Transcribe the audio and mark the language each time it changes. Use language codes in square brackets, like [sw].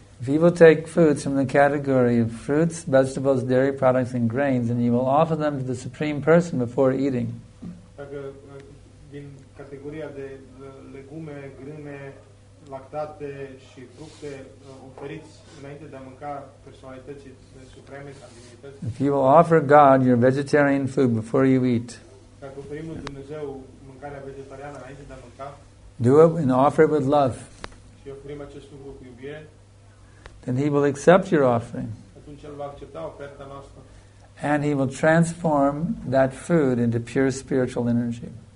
[en] If you will take foods from the category of fruits, vegetables, dairy products and grains and you will offer them to the Supreme Person before eating. [ro] Dacă din categoria de legume, grâne, lactate și fructe oferiți înainte de a mânca personalității supreme sau divinități. [en] If you will offer God your vegetarian food before you eat. [ro] Dacă oferim lui Dumnezeu mâncarea vegetariană înainte de a mânca. [en] Do it and offer it with love. [ro] Și oferim acest lucru cu iubire. [en] Then he will accept your offering. [ro] Atunci el va accepta oferta noastră. [en] And he will transform that food into pure spiritual energy.